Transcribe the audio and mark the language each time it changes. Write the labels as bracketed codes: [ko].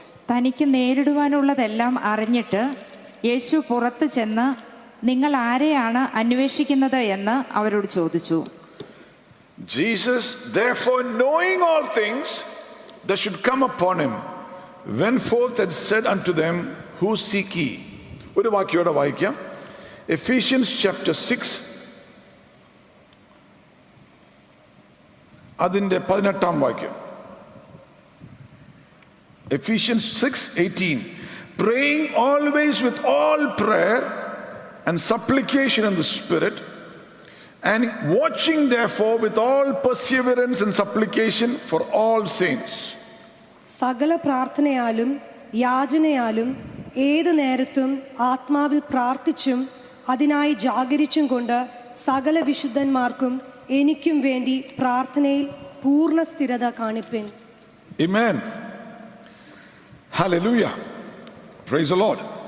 [ml] തനിക്ക് നേരിടുവാനുള്ളതെല്ലാം അറിഞ്ഞിട്ട് യേശു പുറത്ത് ചെന്ന് നിങ്ങൾ ആരെയാണ് അന്വേഷിക്കുന്നത് എന്ന് അവരോട് ചോദിച്ചു. [en] Jesus, therefore, knowing all things that should come upon him, went forth and said unto them, Who seek ye? [ml] ഒരു വാക്യോടെ വായിക്കാം. Ephesians chapter 6, അതിന്റെ 18-ാം വാക്യം. [en] Ephesians 6:18, praying always with all prayer and supplication in the Spirit, and watching therefore with all perseverance and supplication for all saints. [ml] സകല പ്രാർത്ഥനയാലും യാചനയാലും ഏതു നേരത്തും ആത്മാവിൽ പ്രാർത്ഥിച്ചും അതിനായി ജാഗരിച്ചും കൊണ്ട് സകല വിശുദ്ധന്മാർക്കും എനിക്കും വേണ്ടി പ്രാർത്ഥനയിൽ പൂർണ്ണ സ്ഥിരത കാണിപ്പിൻ. ആമേൻ. ഹല്ലേലൂയ. [en] Praise the Lord.